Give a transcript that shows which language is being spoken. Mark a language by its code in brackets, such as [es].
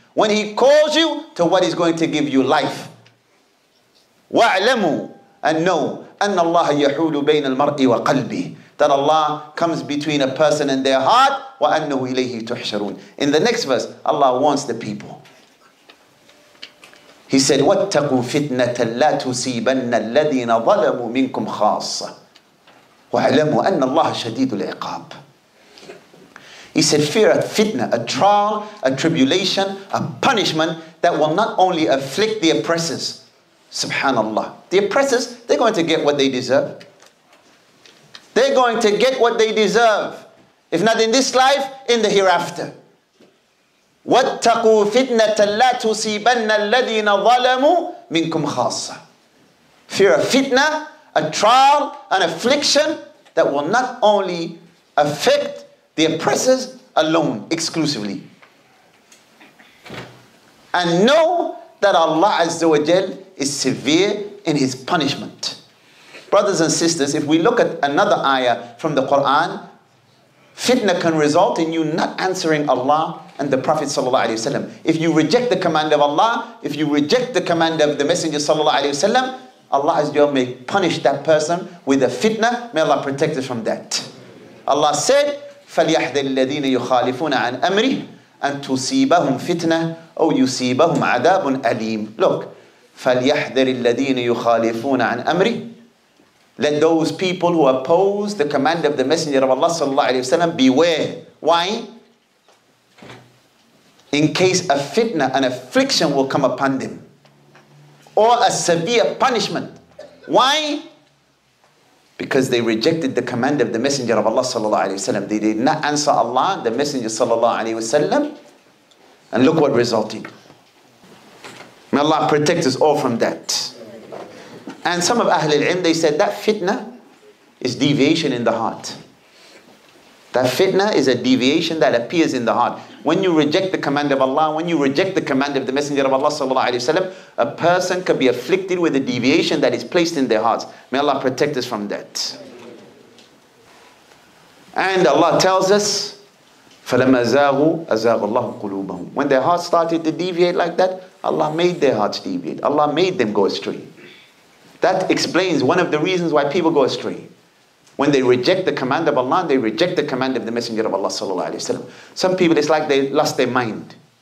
[en] When he calls you to what is going to give you life. Wa'lamu. And know, [ar] أن الله يحول بين المرء وقلبه, [en] that Allah comes between a person and their heart, [ar] وأنه إليه تحشرون. [en] In the next verse, Allah warns the people. He said, [ar] واتقوا فتنة لا تصيبن الذين ظلموا منكم خاصة واعلموا أن الله شديد العقاب. [en] He said, fear a fitna, a trial, a tribulation, a punishment that will not only afflict the oppressors. Subhanallah. The oppressors, they're going to get what they deserve. They're going to get what they deserve. If not in this life, in the hereafter. [ar] وَاتَّقُوا فِتْنَةً لَا تُصِيبَنَّ الَّذِينَ ظَلَمُوا مِنْكُمْ خَاصَّةً. [en] Fear a fitna, a trial, an affliction that will not only affect the oppressors alone, exclusively. And know that Allah Azza wa Jal is severe in his punishment. Brothers and sisters, if we look at another ayah from the Quran, fitna can result in you not answering Allah and the Prophet sallallahu alaihi wasallam. If you reject the command of Allah, if you reject the command of the Messenger sallallahu alaihi wasallam, Allah azza wa jalla may punish that person with a fitna. May Allah protect us from that. Allah said, [ar] فَلْيَحْذَرِ الَّذِينَ يُخَالِفُونَ عَنْ أَمْرِهِ أَن تُصِيبَهُمْ فِتْنَةٌ أَوْ يُصِيبَهُمْ عَذَابٌ أَلِيمٌ. [en] Look. [ar] فَلْيَحْذَرِ الَّذِينَ يُخَالِفُونَ عَنْ أَمْرِهِ. [en] Let those people who oppose the command of the Messenger of Allah sallallahu alayhi wa sallam beware. Why? In case a fitna, an affliction will come upon them. Or a severe punishment. Why? Because they rejected the command of the Messenger of Allah sallallahu alayhi wa sallam. They did not answer Allah, the Messenger sallallahu alayhi wa sallam. And look what resulted. May Allah protect us all from that. And some of Ahlul Ilm, they said that fitna is deviation in the heart. That fitna is a deviation that appears in the heart. When you reject the command of Allah, when you reject the command of the Messenger of Allah sallallahu alayhi wa sallam, a person could be afflicted with a deviation that is placed in their hearts. May Allah protect us from that. And Allah tells us, [ar] فَلَمَا زَاغُوا أَزَاغَ اللَّهُ قُلُوبَهُمْ. [en] When their hearts started to deviate like that, Allah made their hearts deviate. Allah made them go astray. That explains one of the reasons why people go astray. When they reject the command of Allah, they reject the command of the Messenger of Allah sallallahu alayhi wa sallam. Some people, it's like they lost their mind.